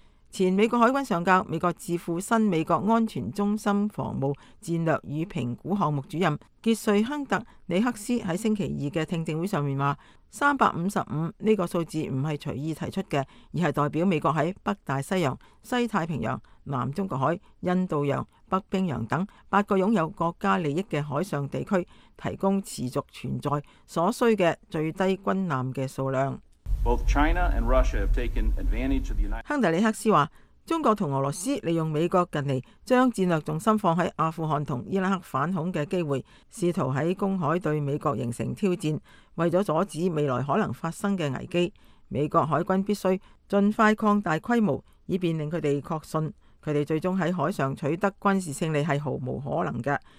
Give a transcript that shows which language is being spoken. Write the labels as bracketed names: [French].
[Chinese] 前美国海军上校、美国智库新美国安全中心防务战略与评估项目主任杰瑞·亨特·里克斯在星期二的听证会上面说，355这个数字不是随意提出的，而是代表美国在北大西洋、西太平洋、南中国海、印度洋、北冰洋等8个拥有国家利益的海上地区提供持续存在所需的最低军舰的数量。 [English] Both China and Russia have taken advantage of the United States. [Chinese] 亨特里克斯说，中国和俄罗斯利用美国近来将战略重心放在阿富汗和伊拉克反恐的机会，试图在公海对美国形成挑战，为了阻止未来可能发生的危机，美国海军必须尽快扩大规模，以便令他们确信他们最终在海上取得军事胜利是毫无可能的。